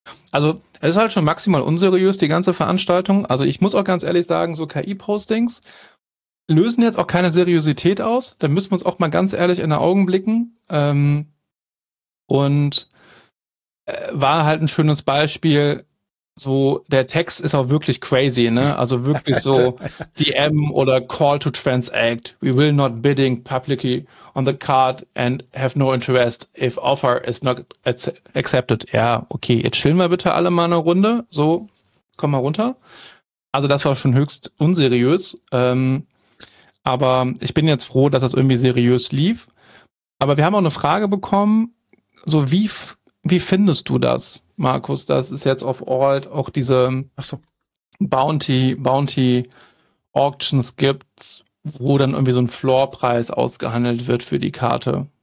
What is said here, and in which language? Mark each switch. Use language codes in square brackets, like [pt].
[de] Also, es ist halt schon maximal unseriös, die ganze Veranstaltung. Also, ich muss auch ganz ehrlich sagen, so KI-Postings lösen jetzt auch keine Seriosität aus. Da müssen wir uns auch mal ganz ehrlich in die Augen blicken. Und war halt ein schönes Beispiel. So, der Text ist auch wirklich crazy, ne? Also wirklich so DM oder Call to Transact. [en] We will not bidding publicly on the card and have no interest if offer is not accepted. [de] Ja, okay, jetzt chillen wir bitte alle mal eine Runde. So, komm mal runter. Also das war schon höchst unseriös. Aber ich bin jetzt froh, dass das irgendwie seriös lief. Aber wir haben auch eine Frage bekommen, so wie findest du das, Markus, dass es jetzt auf Alt auch diese Bounty Auctions gibt, wo dann irgendwie so ein Floorpreis ausgehandelt wird für die Karte?